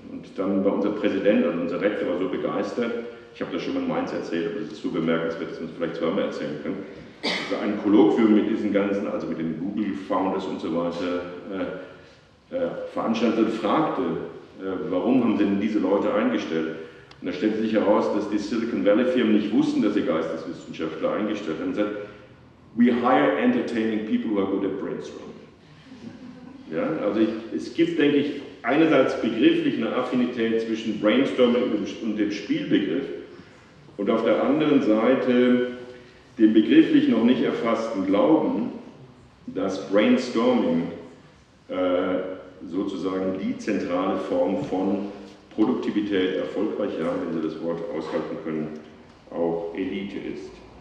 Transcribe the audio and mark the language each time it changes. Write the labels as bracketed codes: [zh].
[de] Und dann war unser Präsident, also unser Rektor, war so begeistert, ich habe das schon mal in Mainz erzählt, aber das ist so bemerkenswert, dass wir es vielleicht zweimal erzählen können, dass wir einen Kolloquium mit diesen ganzen, also mit den Google Founders und so weiter, veranstaltet und fragte, warum haben denn diese Leute eingestellt? Und da stellte sich heraus, dass die Silicon Valley Firmen nicht wussten, dass sie Geisteswissenschaftler eingestellt haben. [en] Und we hire entertaining people who are good at brainstorming. [de] Ja, also es gibt, denke ich, einerseits begrifflich eine Affinität zwischen Brainstorming und dem Spielbegriff und auf der anderen Seite dem begrifflich noch nicht erfassten Glauben, dass Brainstorming sozusagen die zentrale Form von Produktivität, erfolgreicher, wenn Sie das Wort aushalten können, auch Elite ist.